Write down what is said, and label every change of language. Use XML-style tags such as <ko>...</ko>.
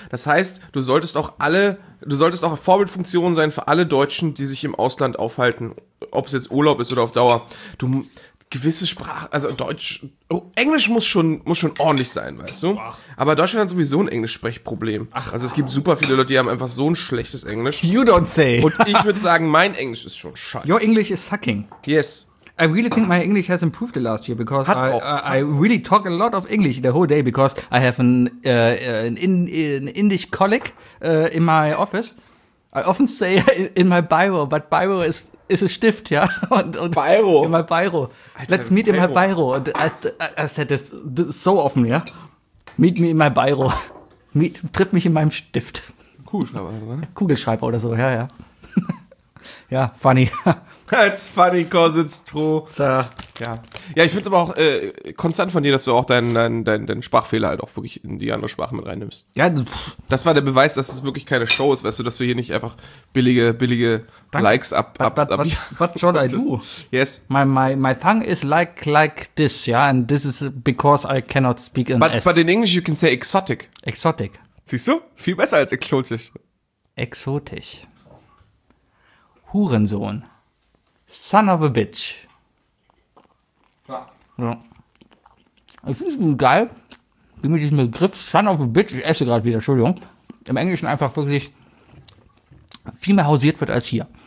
<de>Das heißt, du solltest auch Vorbildfunktion sein für alle Deutschen, die sich im Ausland aufhalten, ob es jetzt Urlaub ist oder auf Dauer. Du gewisse Sprache, also Deutsch, Englisch muss schon ordentlich sein, weißt du? Aber Deutschland hat sowieso ein Englischsprechproblem. Also es gibt super viele Leute, die haben einfach so ein schlechtes Englisch.</de> <en>You don't say.</en> <de>Und ich würde sagen, mein Englisch ist schon scheiße.</de> <en>Your English is sucking. Yes. I really think my English has improved the last year because I really talk a lot of English the whole day because I have an Indian colleague in my office. I often say in my biro, but biro is a stift, ja.</en> <de>Und biro.</de> <en>In my biro. Alter, let's meet biro. In my biro. And I said this so often, ja. Meet me in my biro.</en> <de>Triff mich in meinem Stift. Kugelschreiber. Kugelschreiber oder so, ja.</de> <en>Ja, funny. It's funny, cause it's true. So.</en> <de>Ja, ich find's aber auch konstant von dir, dass du auch deinen Sprachfehler halt auch wirklich in die andere Sprache mit reinnimmst. Ja. Das war der Beweis, dass es wirklich keine Show ist, weißt du, dass du hier nicht einfach billige Dank. Likes ab.</de> <en>What should I do? Yes. My tongue is like this, yeah, and this is because I cannot speak in S. But in English you can say exotic. Exotic.</en> <de>Siehst du? Viel besser als exotisch. Exotisch. Hurensohn.</de> <en>Son of a bitch.</en> <de>Ja. Ich finde es geil, wie mit diesem Begriff</de> <en>Son of a bitch,</en> <de>ich esse gerade wieder, Entschuldigung, im Englischen einfach wirklich viel mehr hausiert wird als hier.</de>